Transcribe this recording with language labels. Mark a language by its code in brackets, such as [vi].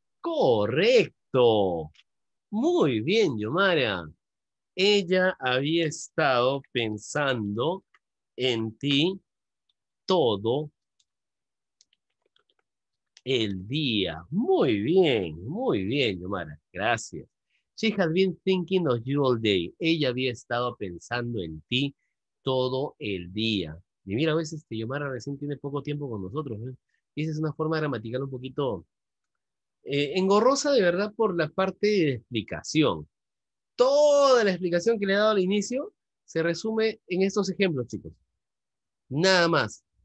[es] Correcto. Muy bien, Yomara. Ella había estado pensando en ti todo el día. Muy bien, Yomara. Gracias. [en] She had been thinking of you all day. [es] Ella había estado pensando en ti todo el día. Y mira, a veces que Yomara recién tiene poco tiempo con nosotros, ¿eh? Y esa es una forma gramatical un poquito engorrosa, de verdad, por la parte de explicación. Toda la explicación que le he dado al inicio se resume en estos ejemplos, chicos. Nada más.